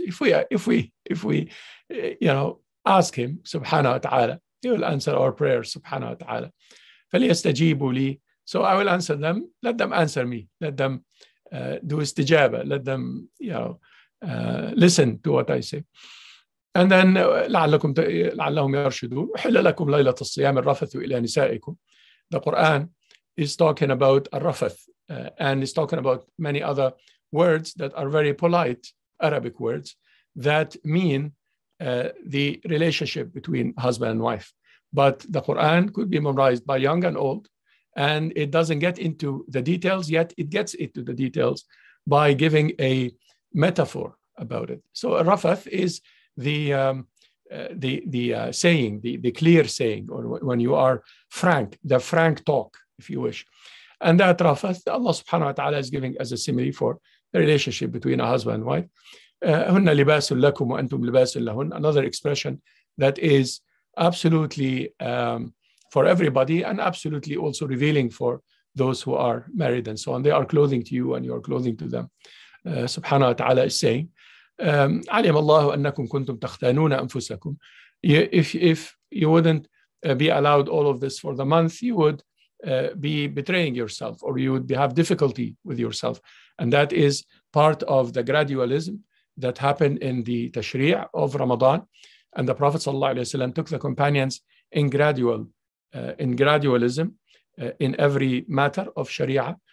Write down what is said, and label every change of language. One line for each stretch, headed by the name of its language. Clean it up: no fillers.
English: If we you know, ask Him, subhanahu wa ta'ala, He will answer our prayers, subhanahu wa ta'ala.
Arabic: فَلِيَسْتَجِيبُوا لِي.
English: So I will answer them. Let them answer me. Let them do istijaba. Let them, you know, listen to what I say. And then
Arabic: لَعَلَّهُمْ يَرْشُدُونَ حِلَّ لَكُمْ لَيْلَةَ الصِّيَامِ الرَّفَثُ إِلَى نِسَائِكُمْ.
English: The Quran is talking about الرَّفَث, and is talking about many other words that are very polite Arabic words that mean the relationship between husband and wife. But the Quran could be memorized by young and old, and it doesn't get into the details, yet it gets into the details by giving a metaphor about it. So الرَّفَث is the clear saying, or when you are frank, the frank talk, if you wish. And that rafath, Allah subhanahu wa ta'ala is giving as a simile for the relationship between a husband and wife.
Arabic: Hunna libasun lakum wa antum libasun lahun,
English: another expression that is absolutely for everybody, and absolutely also revealing for those who are married and so on. They are clothing to you and you are clothing to them.
Arabic: Subhanahu wa ta'ala
English: is saying,
Arabic: علم الله أنكم كنتم تختانون أنفسكم.
English: If you wouldn't be allowed all of this for the month, you would be betraying yourself, or you would have difficulty with yourself. And that is part of the gradualism that happened in the tashri' of Ramadan. And the Prophet sallallahu alayhi wa sallam took the companions in gradualism in every matter of sharia.